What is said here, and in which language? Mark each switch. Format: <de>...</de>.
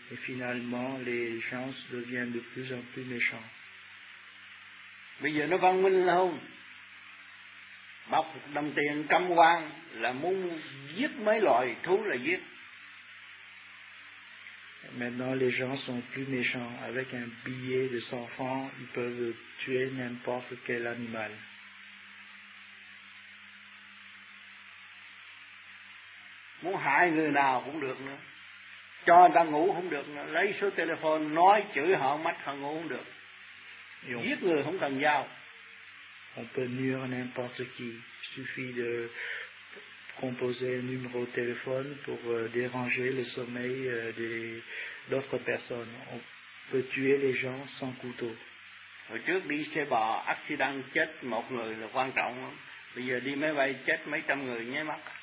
<fr>Et finalement, les gens deviennent de plus en plus méchants.</fr> <vi>Bây giờ nó văn minh lâu. Bọc đồng tiền trăm quan là muốn giết mấy loài thú là giết.</vi> <fr>Maintenant, les gens sont plus méchants. Avec un billet de 100 francs, ils peuvent tuer n'importe quel animal.</fr> <vi>Muốn hại người nào cũng được nữa. Cho người ta ngủ không được nữa. Lấy số telephone, nói chửi họ, mách họ ngủ không được. Giết người không cần dao.</vi> <fr>On peut nuire n'importe qui. Suffit de composer un numéro de téléphone pour déranger le sommeil d'autres personnes. On peut tuer les gens sans couteau.</fr> <vi>Hồi trước đi xe bò, accident chết một người là quan trọng lắm. Bây giờ đi máy bay chết mấy trăm người nháy mắt.</vi>